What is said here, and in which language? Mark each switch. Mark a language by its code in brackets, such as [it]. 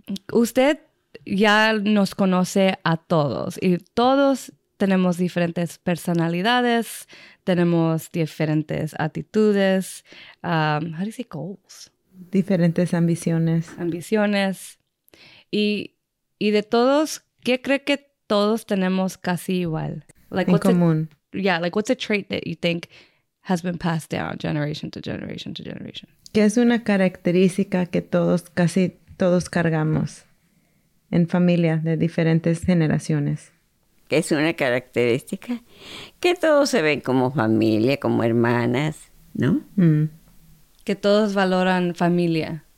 [es] Usted ya nos conoce a todos y todos tenemos diferentes personalidades, tenemos diferentes actitudes. [en] How do you say goals? [es] Diferentes ambiciones. Ambiciones. Y de todos, ¿qué cree que todos tenemos casi igual? Like, en común. [en] What's a trait that you think has been passed down generation to generation to generation? [es] ¿Qué es una característica que todos, casi todos cargamos en familia de diferentes generaciones? ¿Qué es una característica? Que todos se ven como familia, como hermanas, ¿no? Mm. Que todos valoran familia.